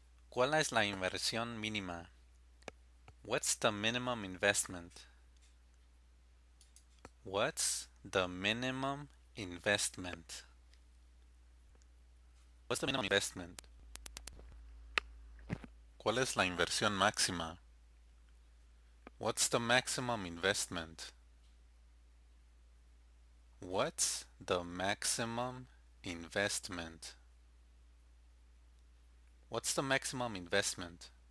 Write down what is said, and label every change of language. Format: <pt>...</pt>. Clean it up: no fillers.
<es>¿Cuál es la inversión mínima?</es> <en>What's the minimum investment? What's the minimum investment? What's the minimum investment?</en> <es>¿Cuál es la inversión máxima?</es> <en>What's the maximum investment? What's the maximum investment? What's the maximum investment?</en>